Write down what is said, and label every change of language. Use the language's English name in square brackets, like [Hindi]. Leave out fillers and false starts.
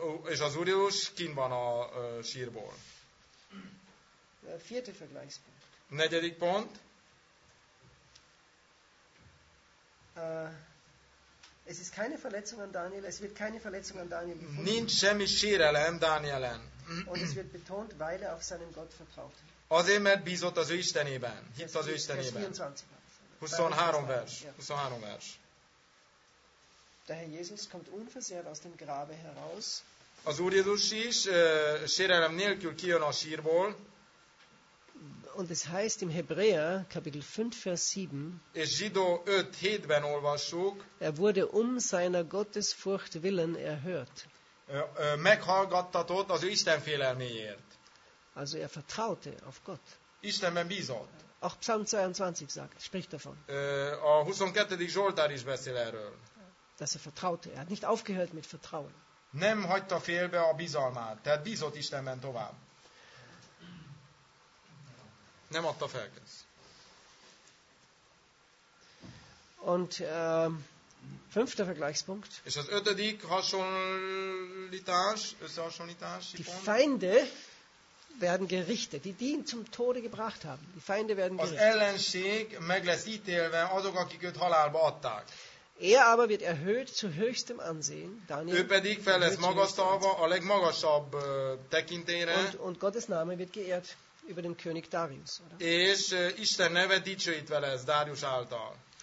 [Hungarian] És az Úr Jézus kint van a sírból. [German] Vierte Vergleichspunkt. [Hungarian] Negyedik pont. [German] Es ist keine Verletzung an Daniel, es wird keine Verletzung an Daniel gefunden. [Hungarian] Nincs semmi sérelem Dánielen. [German] Und es wird betont, weil er auf seinen Gott vertraut. [Hungarian] Azért, mert bízott az ő Istenében. Hitt az ő Istenében. 23 vers. [German] Der Herr Jesus kommt unversehrt aus dem Grabe heraus. [Hungarian] Az Úr Jézus is sérelem nélkül kijön a sírból. [German] Und es heißt im Hebräer, Kapitel 5, Vers 7, [Hungarian] és Zsidó 5:7-ben olvassuk, [German] er wurde um seiner Gottesfurcht willen erhört. [Hungarian] Meghallgattatott az ő Istenfélelméért. [German] Also er vertraute auf Gott. [Hungarian] Istenben bízott. [German] Auch Psalm 22 sagt, spricht davon. [Hungarian] A 22. Zsoltár is beszél erről. [German] Dass er vertraute, er hat nicht aufgehört mit Vertrauen. [Hungarian] Nem hagyta félbe a bizalmát, tehát bízott Istenben tovább. Nem adta fel. [German] Und fünfter Vergleichspunkt. [Hungarian] És az ötödik hasonlítás, összehasonlítás. [German] Die Feinde werden gerichtet, die ihn zum Tode gebracht haben. Die Feinde werden gerichtet. [Hungarian] Az ellenség meg lesz ítélve azok, akik őt halálba adták. [German] Er aber wird erhöht zu höchstem Ansehen. Daniel, [Hungarian] ő pedig fel lesz magasztalva a legmagasabb tekintélyre. [German] Und Gottes Name wird geehrt über den König Darius, oder? [Hungarian] És Isten neve dicsőítve lesz Darius által.